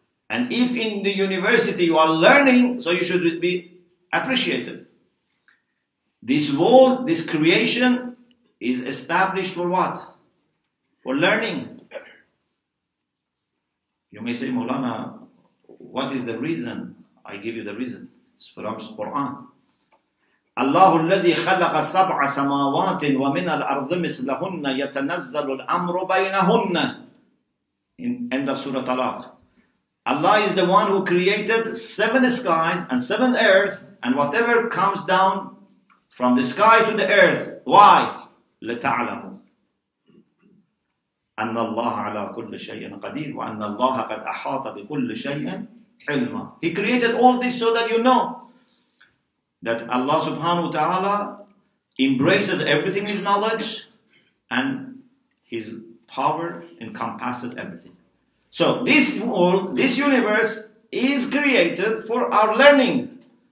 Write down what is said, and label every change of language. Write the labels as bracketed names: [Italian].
[English] And if in the university you are learning, so you should be appreciated. This world, this creation is established for what? For learning. You may say, Maulana, what is the reason? I give you the reason. It's from the Quran. [Arabic] الله الذي خلق سبع سماوات ومن الأرض مثلهن يتنزل الأمر بينهن. [English] In end of Surah Talaq. Allah is the one who created seven skies and seven earth and whatever comes down from the sky to the earth. Why? [Arabic] لتعلموا أن الله على كل شيء قدير وأن الله قد أحاط بكل شيء علما. [English] He created all this so that you know that Allah subhanahu wa ta'ala embraces everything His knowledge and His power encompasses everything. So this world, this universe is created for our learning.